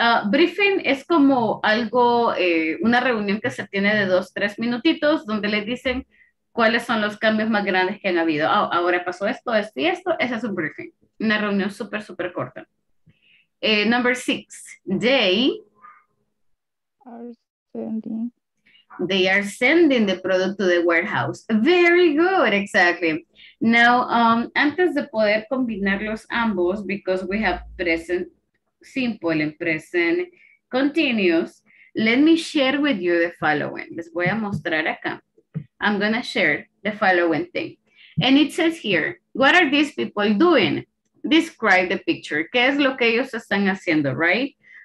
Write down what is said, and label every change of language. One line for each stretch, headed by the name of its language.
Spanish: Briefing es como algo, una reunión que se tiene de 2-3 minutitos donde le dicen cuáles son los cambios más grandes que han habido. Oh, ahora pasó esto, esto y esto. Ese es un briefing. Una reunión súper, súper corta.
English: Number six, they are sending the product to the warehouse. Very good, exactly. Now,
Spanish: antes de poder combinarlos ambos,
English: because we have present simple and present continuous, let me share with you the following.
Spanish: Les voy a mostrar acá.
English: I'm going to share the following thing. And it says here, what are these people doing? Describe the picture.
Spanish: ¿Qué es lo que ellos están haciendo, right?